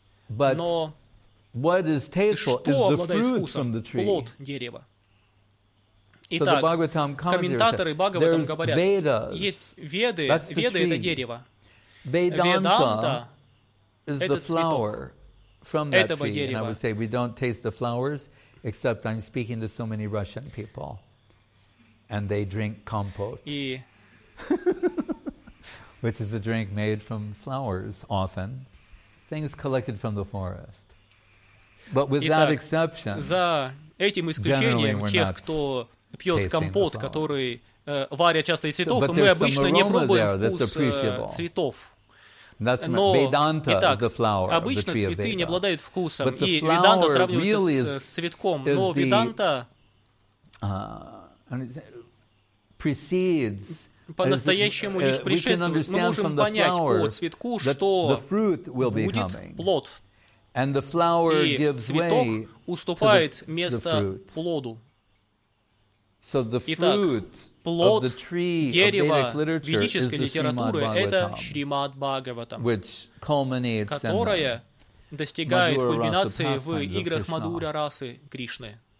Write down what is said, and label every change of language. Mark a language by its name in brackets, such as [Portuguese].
[Russian] Но что обладает вкусом? Плод дерева. Итак, комментаторы Бхагаватам говорят, есть веды, веды – это дерево. Веданта – это цветок [English] from that [Russian] этого [English] tree. [Russian] Дерева. [English] And I would say, we don't taste the flowers, except I'm speaking to so many Russian people. And they drink compote, which is a drink made from flowers, often things collected from the forest. But with [Russian] Итак, [English] that exception, [Russian] за этим исключением тех, кто пьет компот, который варят часто из цветов, мы обычно не пробуем вкус цветов. Но Веданта Итак, [English] is the flower, [Russian] обычно [English] the tree [Russian] цветы не обладают вкусом, и Веданта сравнивается [English] really [Russian] с цветком, [English] is [Russian] но Веданта [English] precedes. [Russian] По-настоящему лишь предшествует. Мы можем понять по цветку, что будет плод. [English] And the flower gives way to the fruit. [Russian] Плоду. [English] So the fruit of the tree of Vedic literature is the Shrimad Bhagavatam, which culminates in [Russian] достигает кульминации в играх Мадура Расы Кришны.